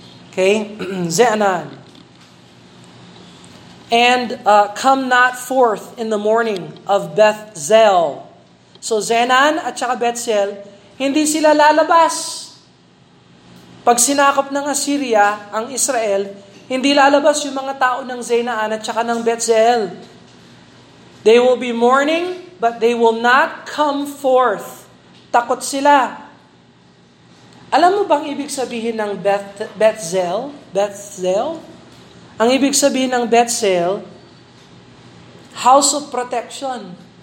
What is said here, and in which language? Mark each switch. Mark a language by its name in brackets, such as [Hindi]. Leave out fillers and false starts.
[English] Okay? Zaanan. And come not forth in the morning of Bethzel. [Filipino] So Zaanan at saka Bethzel, hindi sila lalabas. Pag sinakop ng Assyria ang Israel, hindi lalabas yung mga tao ng Zaanan at saka ng Bethzel. [English] They will be mourning, but they will not come forth. [Filipino] Takot sila. Alam mo bang ibig sabihin ng Bethzel? Bethzel? Ang ibig sabihin ng Bethzel, [English] house of protection.